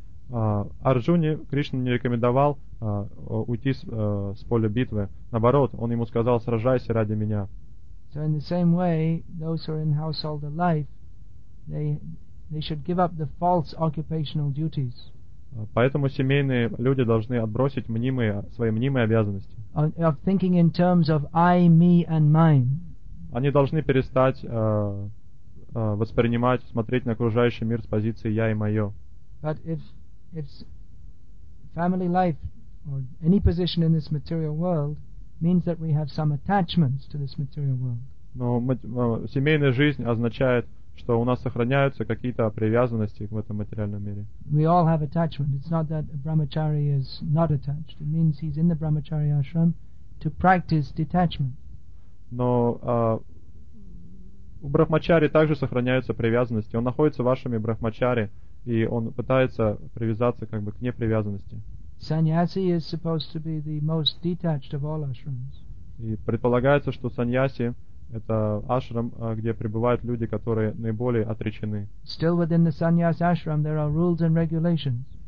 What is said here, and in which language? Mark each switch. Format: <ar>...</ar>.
<ru>Арджуне Кришна не рекомендовал уйти с поля битвы. Наоборот, он ему сказал, сражайся ради меня.</ru> <en>So in the same way, those who are in household life, they should give up the false occupational duties.</en> <ru>Поэтому семейные люди должны отбросить мнимые, свои мнимые обязанности.</ru> <en>Of thinking in terms of I, me and mine.</en> <ru>Они должны перестать воспринимать, смотреть на окружающий мир с позиции «я» и «моё».</ru> <en>But if family life or any position in this material world means that we have some attachments to this material world.</en> <ru>Но семейная жизнь означает, что у нас сохраняются какие-то привязанности в этом материальном мире.</ru> <en>We all have attachment. It's not that a brahmachari is not attached. It means he's in the brahmachari ashram to practice detachment.</en> <ru>Но в брахмачаре также сохраняются привязанности. Он находится вашими брахмачаре, и он пытается привязаться как бы к непривязанности.</ru> <en>Саньяси is supposed to be the most detached of all ashrams.</en> <ru>И предполагается, что саньяси это ашрам, где пребывают люди, которые наиболее отречены.</ru> <en>Still within the sannyas ashram there are rules and regulations.</en>